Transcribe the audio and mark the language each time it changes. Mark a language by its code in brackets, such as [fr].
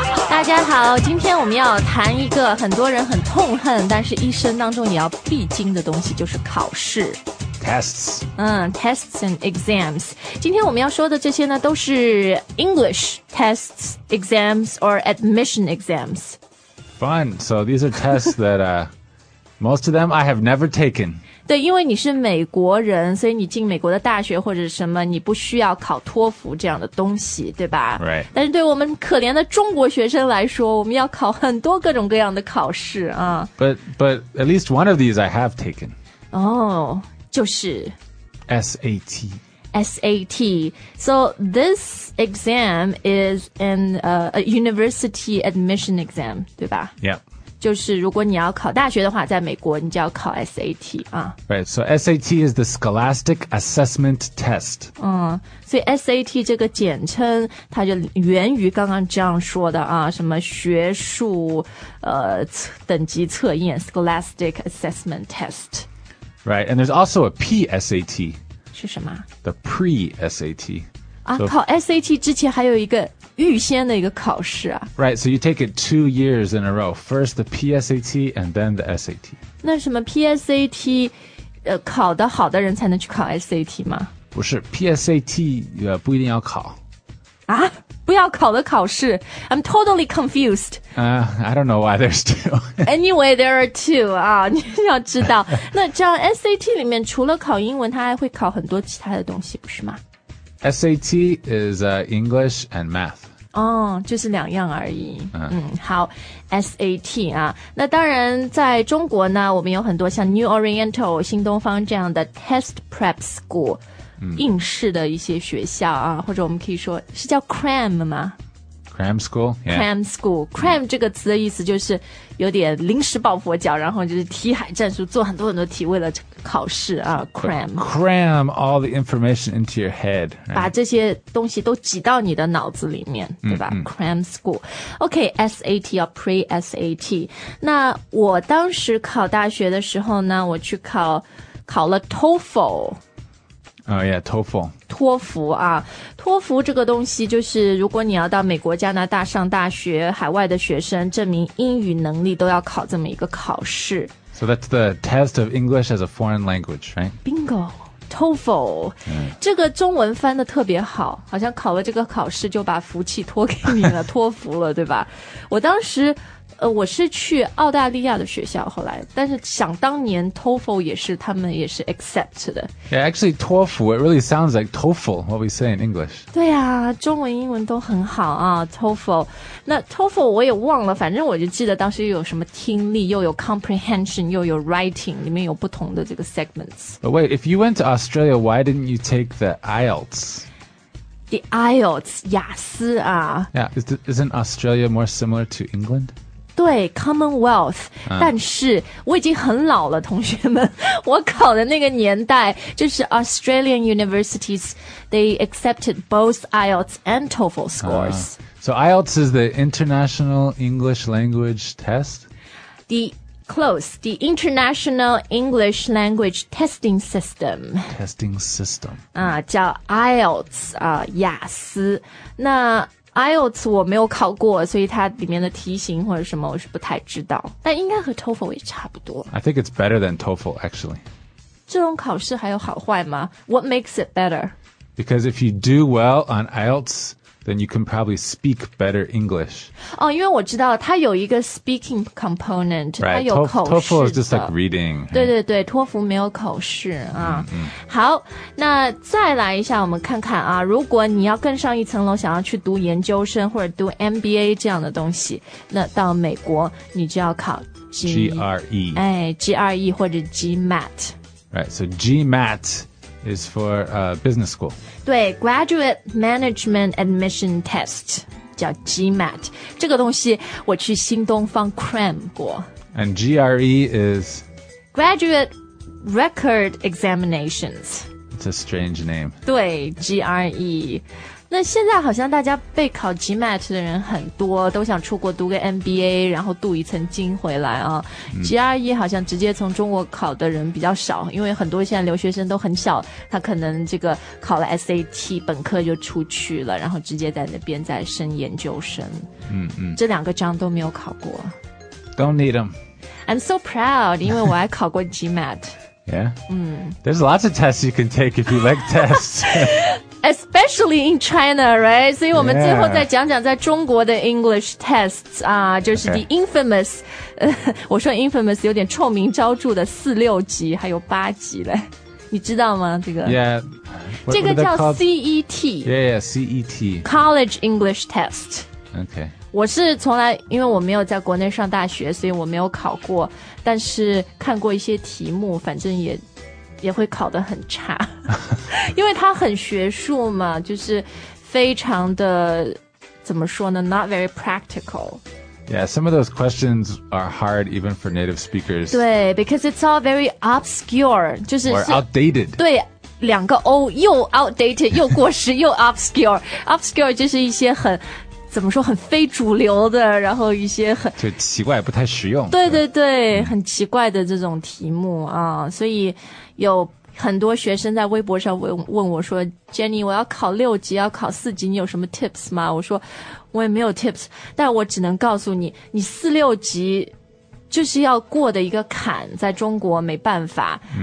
[zh] 大家好，今天我们要谈一个很多人很痛恨，但是一生当中也要必经的东西，就是考试。 [en] Tests. Tests and exams. [zh] 今天我们要说的这些呢，都是 [en] English tests, exams, or admission exams. Fun. So these are tests that most of them I have never taken. [zh] 对，因为你是美国人，所以你进美国的大学或者什么，你不需要考托福这样的东西，对吧？ [en] Right. [zh] 但是对我们可怜的中国学生来说，我们要考很多各种各样的考试啊。 [en] But at least one of these I have taken. [zh] Oh. 就是 [en] SAT. SAT. So this exam is a university admission exam, 对吧 Yeah. [zh] 就是如果你要考大学的话在美国你就要考 SAT.、 [en] Right, so SAT is the Scholastic Assessment Test. [zh] 所以 SAT 这个简称它就源于刚刚这样说的啊什么学术等级测验 Scholastic Assessment Test. [en] Right, and there's also a PSAT. [zh] 是什么？ [en] The pre-SAT. [zh] 考 SAT 之前还有一个预先的一个考试啊。 [en] Right, so you take it 2 years in a row. First the PSAT and then the SAT. [zh] 那什么 PSAT, 考得好的人才能去考 SAT 吗？不是 ,PSAT, 不一定要考。啊不要考的考试 [en] I'm totally confused. I don't know why there's two. Anyway, there are two. [zh] 你要知道。那这样 SAT 里面除了考英文它还会考很多其他的东西不是吗 [en] ?SAT is English and math. [zh] 就是两样而已。好 ,SAT 啊。那当然在中国呢我们有很多像 New Oriental, 新东方这样的 test prep school。应试的一些学校啊，或者我们可以说是叫 cram 吗 [en] ？Cram school,、yeah. [zh] cram school, cram 这个词的意思就是有点临时抱佛脚，然后就是题海战术，做很多很多题为了考试啊。 [en] Cram, But cram all the information into your head,、right? [zh] 把这些东西都挤到你的脑子里面，对吧、mm-hmm. [en] ？Cram school, OK, SAT 要 pre SAT。 [zh] 那我当时考大学的时候呢，我去考了 TOEFL。 [en] Oh, yeah, TOEFL. [zh] 托福啊，托福这个东西就是如果你要到美国、加拿大上大学，海外的学生证明英语能力都要考这么一个考试。 [en] So that's the test of English as a foreign language, right? Bingo, TOEFL.、Mm. [zh] 这个中文翻得特别好，好像考了这个考试就把福气托给你了，托福了，对吧？我当时我是去澳大利亚的学校后来但是想当年 TOEFL 也是他们也是 accept 的 [en] Yeah, actually TOEFL, it really sounds like TOEFL, what we say in English [zh] 对啊中文英文都很好啊 TOEFL 那 TOEFL 我也忘了反正我就记得当时又有什么听力又有 comprehension 又有 writing 里面有不同的这个 segments [en] But wait, if you went to Australia, why didn't you take the IELTS The IELTS, 雅思啊 Yeah, isn't Australia more similar to England? [zh] 对 Commonwealth、但是我已经很老了同学们我考的那个年代就是 [en] Australian universities They accepted both IELTS and TOEFL scores、 So IELTS is the International English Language Test? The International English Language Testing System. Testing System. [zh] 叫 IELTS, 雅思。那 IELTS 我没有考过所以它里面的题型或者什么我是不太知道。但应该和 TOEFL 也差不多。 [en] I think it's better than TOEFL, actually. [zh] 这种考试还有好坏吗 ? [en] What makes it better? Because if you do well on IELTS,then you can probably speak better English. [zh] 因为我知道它有一个 speaking component, [en] right, [zh] 它有口试的。 [en] TOEFL is just like reading. [zh] 对对对，托福没有口试啊。好，那再来一下，我们看看啊，如果你要更上一层楼，想要去读研究生或者读 MBA 这样的东西，那到美国你就要考 [en] GRE. [zh] 哎 ，GRE 或者 GMAT. [en] Right, so GMAT. Is for business school. [zh] 对 Graduate Management Admission Test, 叫 GMAT. 这个东西我去新东方 cram 过。 [en] And GRE is? Graduate Record Examinations. It's a strange name. [zh] 对 GRE. 那现在好像大家备考 GMAT 的人很多，都想出国读个 MBA 然后镀一层金回来啊。 GRE 好像直接从中国考的人比较少，因为很多现在留学生都很小，他可能这个考了 SAT 本科就出去了，然后直接在那边再升研究生。嗯嗯，这两个章都没有考过。 [en] Don't need them. I'm so proud [zh] 因为我还考过 GMAT. [en] Yeah. There's lots of tests you can take if you like tests. Especially in China, right? [zh] 所以我们最后再讲讲在中国的 English tests 啊、就是 [en] the infamous、 [zh] 我说 infamous 有点臭名昭著的四六级还有八级嘞，你知道吗？这个 [en] Yeah, [zh] what, 这个叫 CET. [en] Yeah, yeah, CET. College English Test. Okay. [zh] 我是从来因为我没有在国内上大学，所以我没有考过，但是看过一些题目，反正也会考得很差，因为它很学术嘛，就是非常的怎么说呢 ？ [en] Not very practical. Yeah, some of those questions are hard even for native speakers. 对 ，because it's all very obscure, 就是 or outdated. [zh] 对，两个 O 又 outdated 又过时又 obscure. Obscure 就是一些很怎么说很非主流的，然后一些很就奇怪不太实用。对对对，很奇怪的这种题目啊，所以。有很多学生在微博上问我说 Jenny 我要考六级要考四级你有什么 tips 吗，我说我也没有 tips， 但我只能告诉你，你四六级就是要过的一个坎，在中国没办法。